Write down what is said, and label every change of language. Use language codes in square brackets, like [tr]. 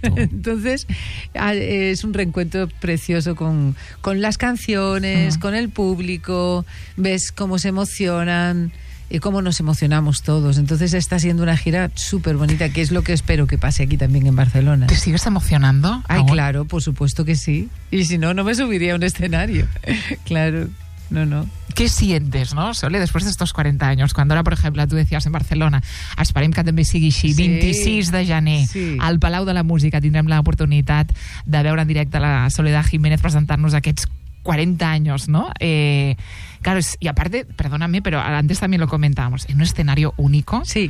[es] Entonces, es un reencuentro precioso con las canciones, con el público, ves cómo se emocionan y cómo nos emocionamos todos. Entonces está siendo una gira súper bonita, que es lo que espero que pase aquí también en Barcelona. ¿Te sigues emocionando? Ay, claro, por supuesto que sí. Y si no, no me subiría a un escenario. Claro. No. ¿Qué sientes, no, Sole, [ca] després d'estos 40 anys? Quan ara, per exemple, [es] tu decías en Barcelona, [ca] esperem que també sigui així, 26 de gener, al Palau de la Música, tindrem l'oportunitat de veure en directe la Soledad Jiménez presentar-nos aquests 40 anys, no? [es] Claro, y aparte, perdóname, pero antes también lo comentábamos, en un escenario único,